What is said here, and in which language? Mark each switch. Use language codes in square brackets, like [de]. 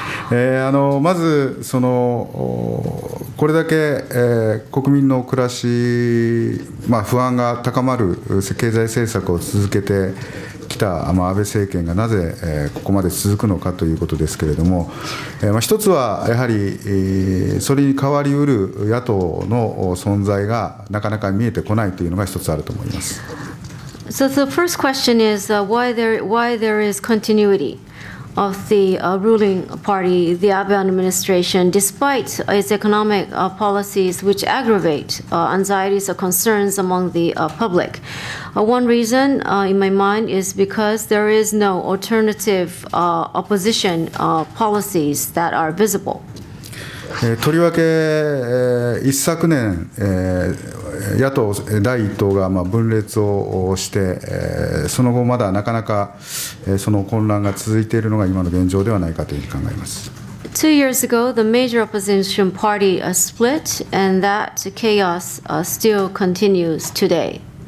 [ja] まずこれだけ国民の暮らし、不安が高まる経済政策を続けてきた安倍政権がなぜここまで続くのかということですけれども、一つはやはりそれに代わりうる野党の存在がなかなか見えてこないというのが一つあると思います。 [en] So the first question is why there is continuity? Of the ruling party, the Abe administration, despite its economic policies which aggravate anxieties or concerns among the public. One reason in my mind is because there is no alternative opposition policies that are visible. [ja] とりわけ一昨年、野党第一党が分裂をして、その後まだなかなかその混乱が続いているのが今の現状ではないかというふうに考えます。 [en] Two years ago, the major opposition party split, and that chaos still continues today.